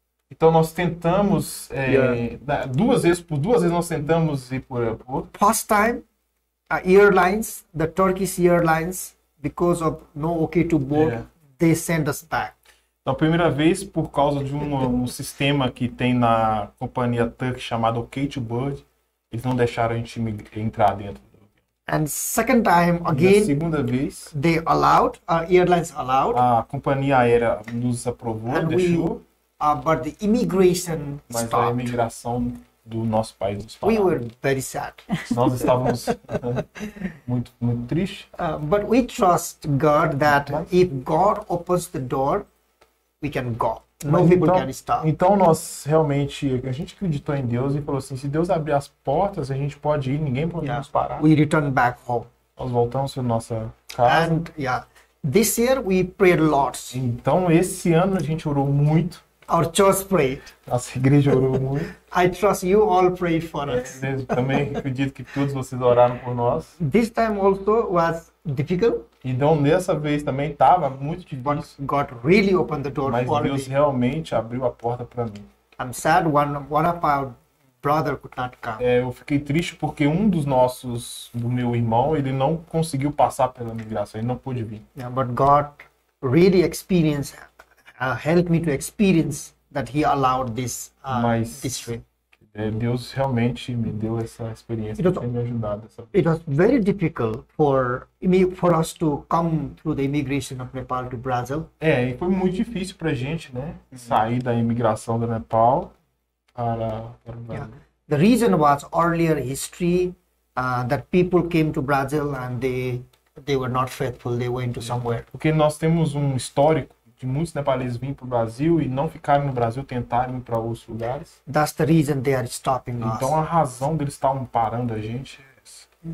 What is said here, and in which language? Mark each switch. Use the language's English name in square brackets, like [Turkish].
[Portuguese] Então nós tentamos duas vezes nós tentamos ir por aeroporto. [English] First time, airlines, the Turkish Airlines, because of no okay to board, they send us back. [Portuguese] Então a primeira vez por causa de um sistema que tem na companhia Turk chamado okay to board, eles não deixaram a gente entrar dentro. [English] And second time again, [Portuguese] segunda vez, [English] they allowed, airlines allowed. [Portuguese] A companhia aérea nos aprovou, and deixou. [English] But the immigration [Portuguese] Mas [English] stopped. [Portuguese] A imigração do nosso país nos parou. [English] We were very sad. [Portuguese] Nós estávamos muito, muito tristes. [English] But we trust God that if God opens the door, we can go. No people [Portuguese] então, [English] can stop. [Portuguese] Então nós realmente, a gente acreditou em Deus e falou assim, se Deus abrir as portas, a gente pode ir, ninguém pode nos parar. [English] We return back home. [Portuguese] Nós voltamos para nossa casa. [English] And this year we prayed lots. [Portuguese] Então esse ano a gente orou muito. [English] Our church prayed. [Portuguese] Nossa igreja orou muito. [English] I trust you all prayed for us. [Portuguese] Eu também acredito que todos vocês oraram por nós. [English] This time also was difficult. [Portuguese] Então nessa vez também estava muito difícil. [English] But God really opened the door [Portuguese] Mas [English] for [Portuguese] Deus [English] me. [Portuguese] Realmente abriu a porta para mim. [English] I'm sad one of our brother could not come. [Portuguese] Eu fiquei triste porque um dos nossos, do meu irmão, ele não conseguiu passar pela migração, ele não pôde vir. [English] Yeah, but God really experienced. Help me to experience that he allowed this trip. [Portuguese] Deus realmente me deu essa experiência, tem me ajudado. [English] It was very difficult for us to come through the immigration of Nepal to Brazil. [Portuguese] E foi muito difícil para gente, né, sair da imigração do Nepal para o Brasil. [English] Yeah. The reason was earlier history that people came to Brazil and they were not faithful, they went to somewhere. [Portuguese] Porque nós temos um histórico de muitos nepaleses virem para o Brasil e não ficarem no Brasil, tentarem ir para outros lugares. [English] That's the reason they are stopping us. [Portuguese] Então a razão deles estarem parando a gente é essa.